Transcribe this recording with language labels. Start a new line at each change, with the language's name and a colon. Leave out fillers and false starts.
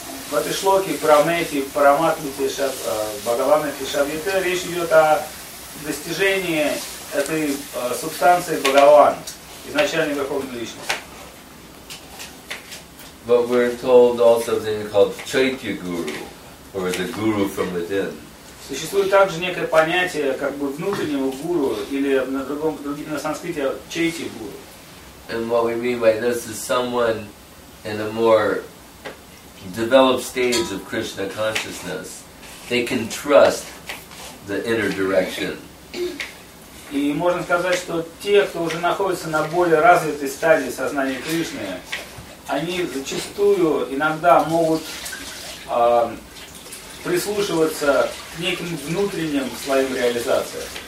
Russian: В этой шлоке
Sanskrit: Прамети, Параматмити, Бхагавана Кишабьете
Russian: речь идет о достижении этой субстанции Бхагаван, изначальной Верховной Личности.
English: But we're told also something called Chaitya Guru, or the Guru from within.
Russian: Существует также некое понятие как бы внутреннего гуру или на другом, на санскрите Chaitya Guru.
English: And what we mean by this is someone in a more developed stage of Krishna consciousness, they can trust the inner direction.
Russian: И можно сказать, что те, кто уже находится на более развитой стадии сознания Кришны, они зачастую иногда могут прислушиваться к неким внутренним своим реализациям.